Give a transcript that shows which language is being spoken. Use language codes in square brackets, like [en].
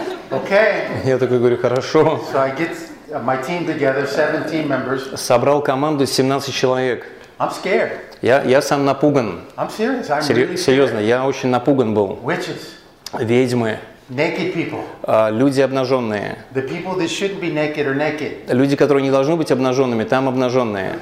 [en] Okay. [ru] Я такой говорю, хорошо. [en] So I get my team together, 17 members. [ru] Собрал команду 17 человек. [en] I'm scared. [ru] Я сам напуган. [en] I'm serious. I'm really scared. [ru] Серьезно, я очень напуган был. [en] Witches. [ru] Ведьмы. [en] Naked people. [ru] Люди обнаженные. [en] The people that shouldn't be naked are naked. [ru] Люди, которые не должны быть обнаженными, там обнаженные.